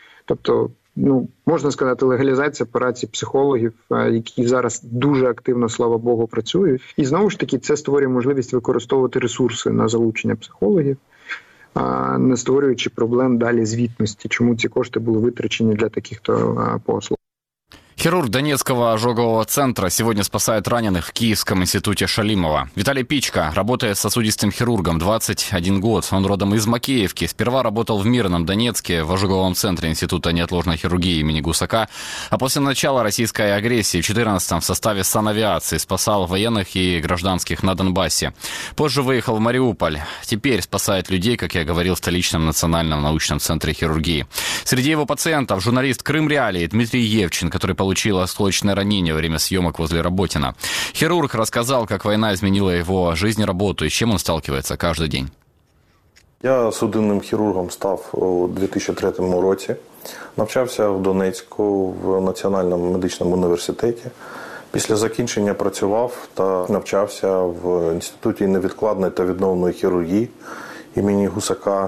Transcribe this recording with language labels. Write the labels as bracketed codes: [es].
[uk] Тобто, ну, можна сказати, легалізація праці психологів, які зараз дуже активно, слава Богу, працюють. І знову ж таки, це створює можливість використовувати ресурси на залучення психологів, не створюючи проблем далі звітності, чому ці кошти були витрачені для таких-то послуг. [ru] Хірург Донецкого ожогового центра сегодня спасает раненых в Киевском институте Шалимова. Виталий Пичко работает сосудистым хирургом 21 год. Он родом из Макеевки. Сперва работал в Мирном Донецке в ожоговом центре Института неотложной хирургии имени Гусака. А после начала российской агрессии в 14-м в составе санавиации спасал военных и гражданских на Донбассе. Позже выехал в Мариуполь. Теперь спасает людей, как я говорил, в столичном национальном научном центре хирургии. Среди его пациентов журналист Крым Реалии Дмитрий Евчин, который получил осколочное ранение во время съемок возле Работина. Хирург рассказал, как война изменила его жизнь и работу, и с чем он сталкивается каждый день. [uk] Я судинним хірургом став у 2003 році. Навчався в Донецьку в Національному медичному університеті. Після закінчення працював та навчався в Інституті невідкладної та відновної хірургії імені Гусака.